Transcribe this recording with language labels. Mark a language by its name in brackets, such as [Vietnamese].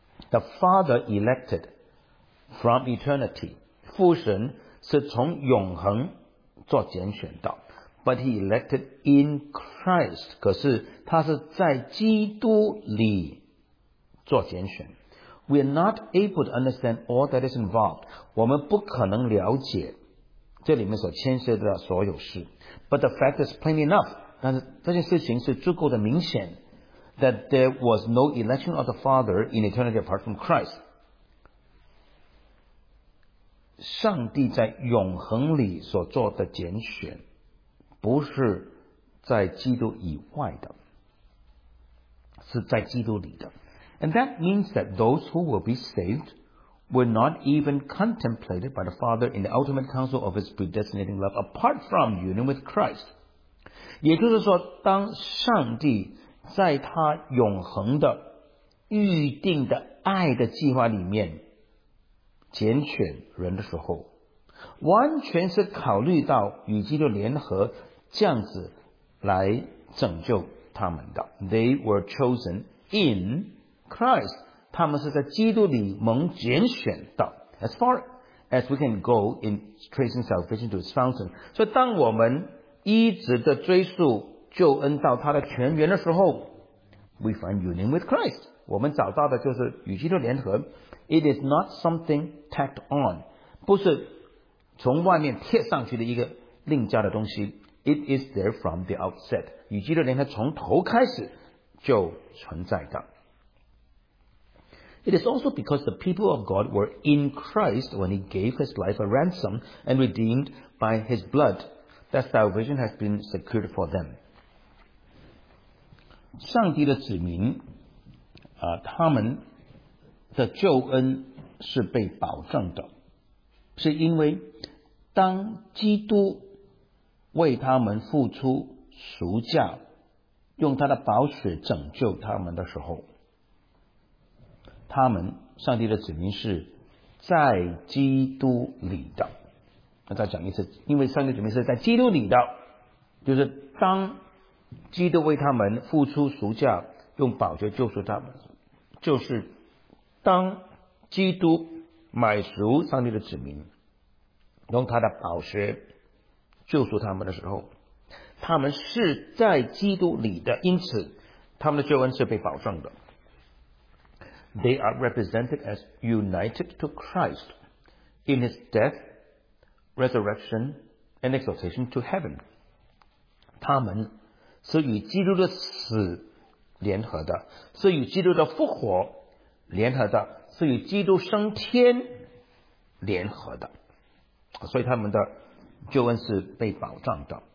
[English] The Father electedFrom eternity， [Chinese] 父神是从永恒做拣选的。 [English] But he elected in Christ， [Chinese] 可是他是在基督里做拣选。 [English] We are not able to understand all that is involved， [Chinese] 我们不可能了解这里面所牵涉的所有事。 [English] But the fact is plain enough， [Chinese] 但是这件事情是足够的明显， [English] That there was no election of the Father in eternity apart from Christ。 [Chinese] 上帝在永恒里所做的拣选不是在基督以外的，是在基督里的。 [English] And that means that those who will be saved were not even contemplated by the Father in the ultimate counsel of his predestinating love apart from union with Christ。 [Chinese] 也就是说，当上帝在他永恒的预定的爱的计划里面拣选人的时候，完全是考虑到与基督联合这样子来拯救他们的。 [English] They were chosen in Christ. [Chinese] 他们是在基督里蒙拣选的。 [English] As far as we can go in tracing salvation to its fountain. [Chinese] 所以当我们一直的追溯救恩到它的泉源的时候， [English] we find union with Christ. [Chinese] 我们找到的就是与基督联合。 [English] It is not something tacked on. [Chinese] 不是从外面贴上去的一个另加的东西。 [English] It is there from the outset. [Chinese] 与基督联合从头开始就存在的。 [English] It is also because the people of God were in Christ when he gave his life a ransom and redeemed by his blood that salvation has been secured for them. [Chinese] 上帝的子民他们的救恩是被保证的，是因为当基督为他们付出赎价，用他的宝血拯救他们的时候，他们上帝的子民是在基督里的。那再讲一次，因为上帝子民是在基督里的，就是当基督为他们付出赎价，用宝血救赎他们，就是当基督买赎上帝的子民，用他的宝血救赎他们的时候，他们是在基督里的，因此他们的救恩是被保障的。 [English] They are represented as united to Christ in his death, resurrection, and exaltation to heaven. [Chinese] 他们是与基督的死联合的，是与基督的复活联合的，是与基督升天联合的，所以他们的救恩是被保障的。